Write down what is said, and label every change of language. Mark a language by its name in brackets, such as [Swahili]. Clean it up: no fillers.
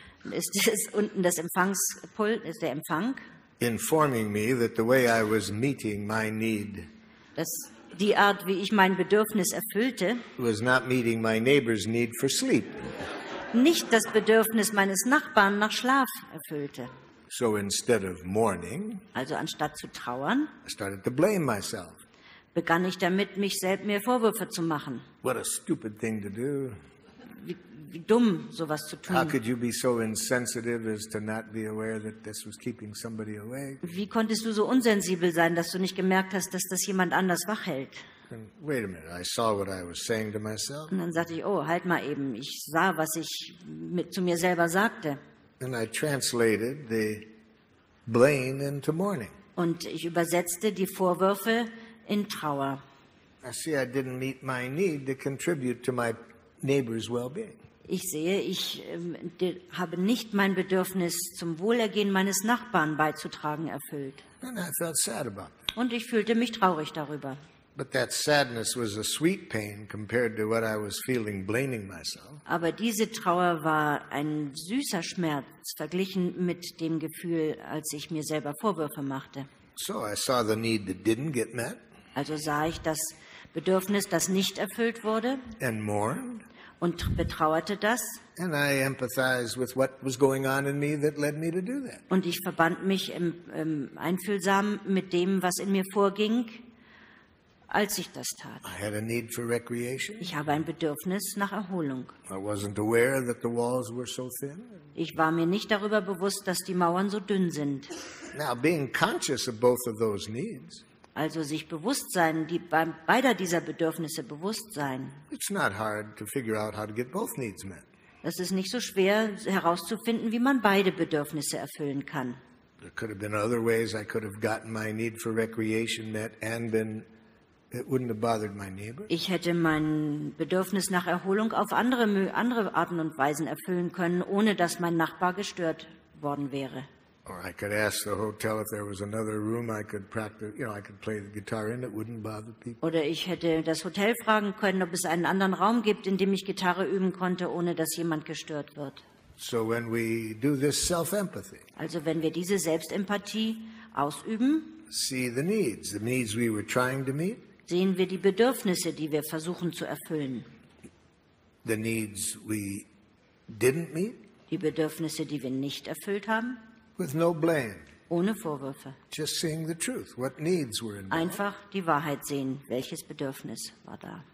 [German] Ist es unten das Empfangspult, ist der Empfang. [English] Informing me that the way I was meeting my need. [German] Das die Art, wie ich mein Bedürfnis erfüllte. [English] Was not meeting my neighbor's need for sleep. [German] Nicht das Bedürfnis meines Nachbarn nach Schlaf erfüllte. [English] So instead of mourning. [German] Also anstatt zu trauern. [English] I started to blame myself. [German] Begann ich damit, mich selbst mir Vorwürfe zu machen. [English] What a stupid thing to do. [German] Wie dumm, sowas zu tun. [English] How could you be so insensitive as to not be aware that this was keeping somebody awake? [German] Wie konntest du so unsensibel sein, dass du nicht gemerkt hast, dass das jemand anders wach hält? [English] And wait a minute, I saw what I was saying to myself. [German] Und dann sagte ich, oh, halt mal eben, ich sah, was ich zu mir selber sagte. [English] And I translated the blame into mourning. [German] Und ich übersetzte die Vorwürfe in Trauer. [English] I see I didn't meet my need to contribute to my neighbor's well-being. [German] Ich sehe, ich habe nicht mein Bedürfnis zum Wohlergehen meines Nachbarn beizutragen erfüllt. [English] And I felt sad about it. [German] Und ich fühlte mich traurig darüber. [English] But that sadness was a sweet pain compared to what I was feeling blaming myself. [German] Aber diese Trauer war ein süßer Schmerz verglichen mit dem Gefühl, als ich mir selber Vorwürfe machte. [English] So I saw the need that didn't get met. [German] Also sah ich das Bedürfnis, das nicht erfüllt wurde. [English] And mourned. [German] Und betrauerte das. [English] And I empathized with what was going on in me that led me to do that. [German] Und ich verband mich einfühlsam mit dem, was in mir vorging, als ich das tat. [English] I had a need for recreation. [German] Ich habe ein Bedürfnis nach Erholung. [English] I wasn't aware that the walls were so thin. [German] Ich war mir nicht darüber bewusst, dass die Mauern so dünn sind. [English] Now, being conscious of both of those needs. [German] Also sich bewusst sein, die beider dieser Bedürfnisse bewusst sein. [English] It's not hard to figure out how to get both needs met. [German] Das ist nicht so schwer herauszufinden, wie man beide Bedürfnisse erfüllen kann. [English] There could have been other ways I could have gotten my need for recreation met and been it wouldn't have bothered my neighbor. [German] Ich hätte mein Bedürfnis nach Erholung auf andere Arten und Weisen erfüllen können, ohne dass mein Nachbar gestört worden wäre. [English] Or I could ask the hotel if there was another room I could practice, you know, I could play the guitar in, it wouldn't bother people. [German] Oder ich hätte das Hotel fragen können, ob es einen anderen Raum gibt, in dem ich Gitarre üben konnte, ohne dass jemand gestört wird. [English] So when we do this self-empathy. [German] Also wenn wir diese Selbstempathie ausüben. [English] See the needs we were trying to meet. [German] Sehen wir die Bedürfnisse, die wir versuchen zu erfüllen. [English] The needs we didn't meet. [German] Die Bedürfnisse, die wir nicht erfüllt haben. [English] With no blame. [German] Ohne Vorwürfe. [English] Just seeing the truth, what needs were involved. [German] Einfach die Wahrheit sehen, welches Bedürfnis war da.